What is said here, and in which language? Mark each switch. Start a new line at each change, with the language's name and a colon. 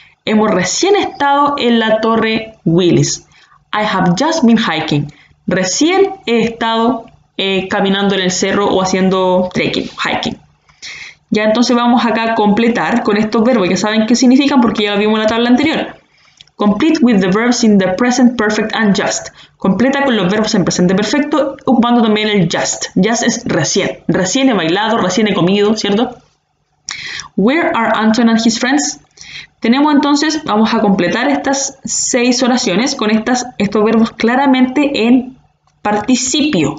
Spanish: Hemos recién estado en la torre Willis.
English: I have just been hiking.
Spanish: Recién he estado caminando en el cerro o haciendo trekking, hiking. Ya entonces vamos acá a completar con estos verbos. Ya saben qué significan porque ya lo vimos en la tabla anterior.
English: Complete with the verbs in the present perfect and just.
Spanish: Completa con los verbos en presente perfecto, ocupando también el just. Just es recién. Recién he bailado, recién he comido, ¿cierto?
English: Where are Anton and his friends?
Spanish: Tenemos entonces, vamos a completar estas 6 oraciones con estos verbos claramente en participio.